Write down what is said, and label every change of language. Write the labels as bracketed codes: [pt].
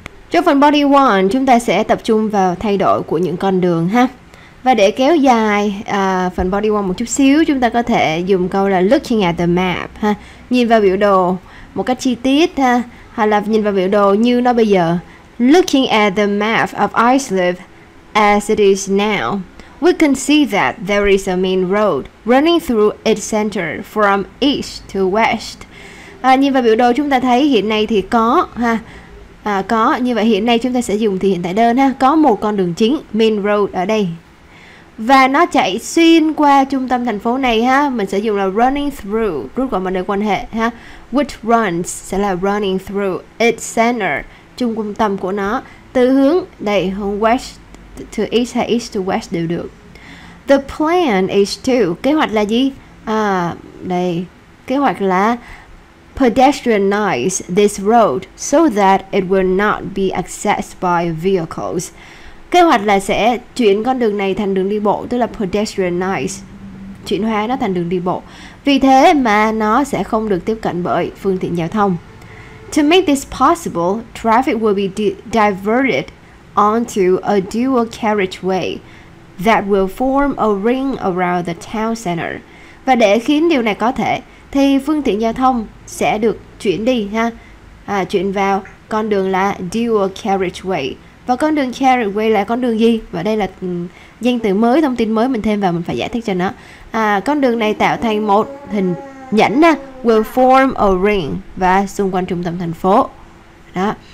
[vi] Trong phần body 1, chúng ta sẽ tập trung vào thay đổi của những con đường ha. Và để kéo dài phần body 1 một chút xíu, chúng ta có thể dùng câu là [en] looking at the map [vi] ha, nhìn vào biểu đồ một cách chi tiết ha, hoặc là nhìn vào biểu đồ như nó bây giờ. [en] Looking at the map of Islip as it is now, we can see that there is a main road running through its center from east to west. [vi] Nhìn vào biểu đồ chúng ta thấy hiện nay thì có ha. Có, như vậy hiện nay chúng ta sẽ dùng thì hiện tại đơn ha, có một con đường chính, main road ở đây. Và nó chạy xuyên qua trung tâm thành phố này ha, mình sử dụng là running through, rút gọn mọi mối quan hệ ha. [en] Which runs [vi] sẽ là [en] running through its center, [vi] trung tâm của nó, từ hướng đây, hướng [en] west to east [vi] hay [en] east to west [vi] đều được. [en] The plan is to, [vi] kế hoạch là gì? À, đây, kế hoạch là [en] pedestrianize this road so that it will not be accessed by vehicles. [vi] Kế hoạch là sẽ chuyển con đường này thành đường đi bộ, tức là pedestrianize, chuyển hóa nó thành đường đi bộ. Vì thế mà nó sẽ không được tiếp cận bởi phương tiện giao thông. [en] To make this possible, traffic will be diverted onto a dual carriageway that will form a ring around the town center. [vi] Và để khiến điều này có thể, thì phương tiện giao thông sẽ được chuyển đi ha, à, chuyển vào con đường là dual carriageway. Và con đường carriageway là con đường gì? Và đây là danh từ mới, thông tin mới mình thêm vào, mình phải giải thích cho nó. À, con đường này tạo thành một hình nhẫn ha, [en] will form a ring, [vi] và xung quanh trung tâm thành phố. Đó.